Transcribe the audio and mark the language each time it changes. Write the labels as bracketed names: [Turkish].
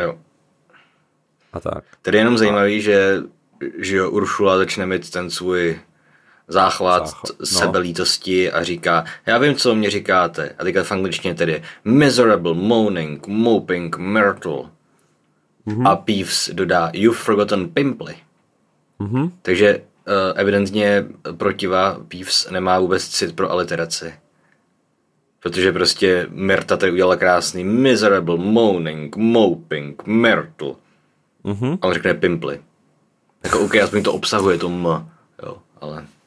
[Czech] jo. A tak. Tady je jenom zajímavý, že Uršula začne mít ten svůj záchvat sebelítosti a říká, já vím, co mě říkáte. A teďka v angličtině tedy [English] miserable, moaning, moping, myrtle. [Czech] Mm-hmm. A Peeves dodá, [English] you've forgotten pimply. Mm-hmm. [Czech] Takže evidentně protiva Peeves nemá vůbec cit pro aliteraci. Protože prostě Myrta tady udělala krásný [English] miserable, moaning, moping, myrtle. Mm-hmm. [Czech] A on řekne pimply. Jako OK, aspoň to obsahuje to m. Jo, ale...